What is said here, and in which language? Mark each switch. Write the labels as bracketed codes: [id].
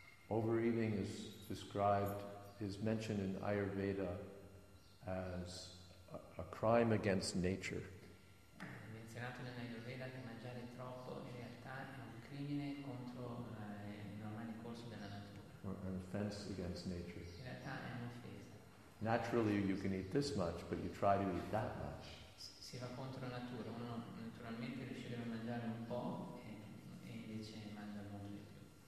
[en] Overeating is described, is mentioned in Ayurveda as a crime against nature. [it] Menzionato nell'Ayurveda che mangiare troppo in realtà è un crimine contro il normale corso della natura. [en] An offense against nature. [it] In realtà è un'offesa. [en] Naturally you can eat this much, but you try to eat that much. [it] Si va contro la natura, uno naturalmente riuscire a mangiare un po' e invece mangia molto di più.